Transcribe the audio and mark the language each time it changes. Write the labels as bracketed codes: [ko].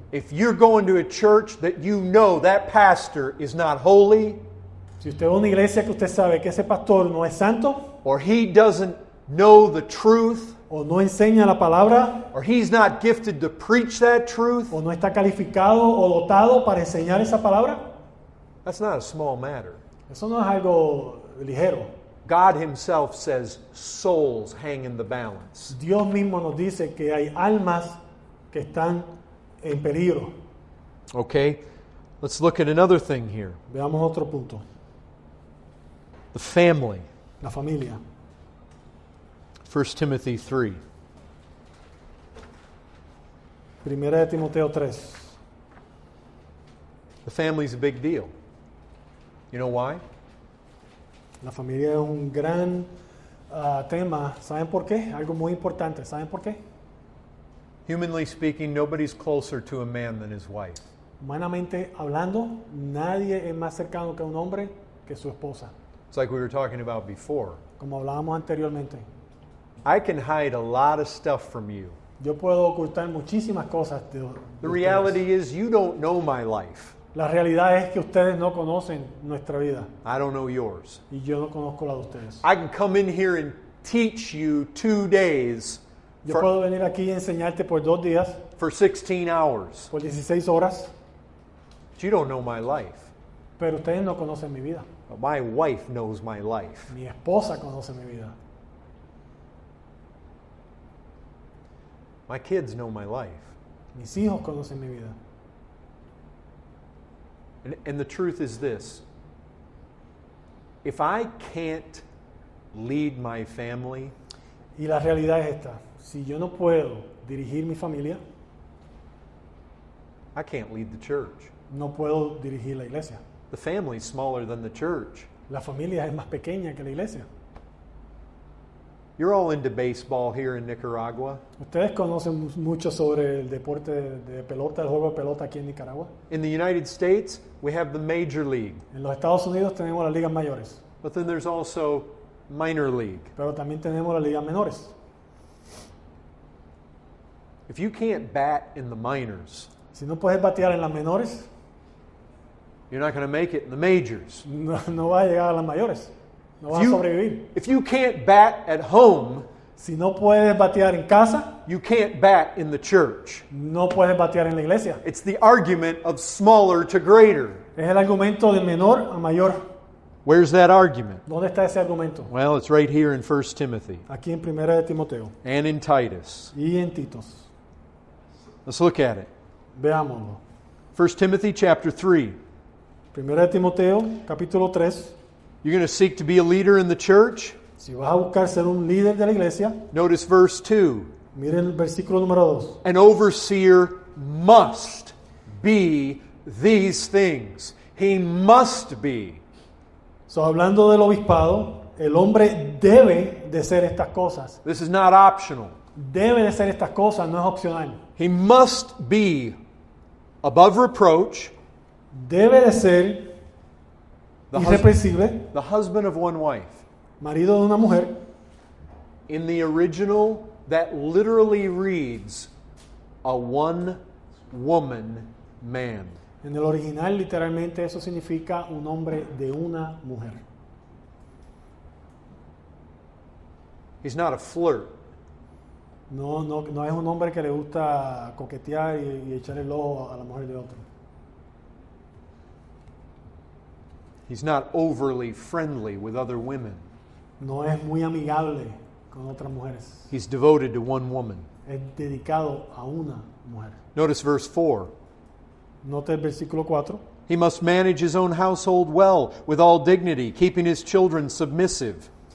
[en] If you're going to a church that you know that pastor is not holy, [es] si usted va a una iglesia que usted sabe que ese pastor no es santo, [en] or he doesn't know the truth, [es] o no enseña la palabra, [en] or he's not gifted to preach that truth, [es] o no está calificado o dotado para enseñar esa palabra, [en] that's not a small matter. [es] Eso no es algo ligero. [en] God himself says souls hang in the balance. [es] Dios mismo nos dice que hay almas que están en peligro. [en] Okay, let's look at another thing here. [es] Veamos otro punto. [en] The family. [es] La familia. [en] 1 Timothy 3. [es] Primera de Timoteo 3. [en] The family's a big deal. You know why? [es] La familia es un gran tema. ¿Saben por qué? Algo muy importante. ¿Saben por qué? [en] Humanly speaking, nobody's closer to a man than his wife. [es] Humanamente hablando, nadie es más cercano que un hombre que su esposa. [en] It's like we were talking about before. [es] Como hablábamos anteriormente. [en] I can hide a lot of stuff from you. [es] Yo puedo ocultar muchísimas cosas de ustedes. [en] The reality is you don't know my life. [es] La realidad es que ustedes no conocen nuestra vida. [en] I don't know yours. [es] Y yo no conozco la de ustedes. [en] I can come in here and teach you 2 days. [es] Yo puedo venir aquí y enseñarte por 2 días. [en] For 16 hours. [es] Por 16 horas. [en] But you don't know my life. [es] Pero ustedes no conocen mi vida. [en] But my wife knows my life. [es] Mi esposa conoce mi vida. [en] My kids know my life. [es] Mis hijos conocen mi vida. [en] And the truth is this. If I can't lead my family. [es] Y la realidad es esta. Si yo no puedo dirigir mi familia, [en] I can't lead the church. [es] no puedo dirigir la iglesia. [en] The family is smaller than the church. [es] La familia es más pequeña que la iglesia. [en] You're all into baseball here in Nicaragua. [es] Ustedes conocen mucho sobre el deporte de pelota, el juego de pelota aquí en Nicaragua. [en] In the United States, we have the major league. [es] En los Estados Unidos tenemos las ligas mayores. [en] But then there's also minor league. [es] Pero también tenemos las ligas menores. [en] If you can't bat in the minors, [es] si no puedes batear en las menores, [en] you're not going to make it in the majors. [es] No va a llegar a las mayores. No va a sobrevivir. [en] If you can't bat at home, [es] si no puedes batear en casa, [en] you can't bat in the church. [es] No puedes batear en la iglesia. [en] It's the argument of smaller to greater. [es] Es el argumento de menor a mayor. [en] Where's that argument? [es] ¿Dónde está ese argumento? [en] Well, it's right here in 1 Timothy. [es] Aquí en Primera de Timoteo. [en] And in Titus. [es] Y en Titos. [en] Let's look at it. [es] Veámoslo. [en] 1 Timothy chapter 3. [es] Primera de Timoteo, capítulo 3. [en] You're going to seek to be a leader in the church. [es] Si vas a buscar ser un líder de la iglesia. [en] Notice verse 2. [es] Miren el versículo número 2. [en] An overseer must be these things. He must be. [es] So, hablando del obispado, el hombre debe de ser estas cosas. [en] This is not optional. [es] Debe de ser estas cosas, no es opcional. [en] He must be above reproach. [es] Debe de ser irreprensible. [en] The husband of one wife. [es] Marido de una mujer. [en] In the original, that literally reads a one woman man. [es] En el original, literalmente, eso significa un hombre de una mujer. [en] He's not a flirt. [es] No es un hombre que le gusta coquetear y echar el ojo a la mujer de otro. [en] He's not overly friendly with other women. [es] No es muy amigable con otras mujeres. [en] He's devoted to one woman. [es] Es dedicado a una mujer. [en] Notice verse 4. [es] Note el versículo 4. [en] He must manage his own household well, with all dignity, keeping his children submissive.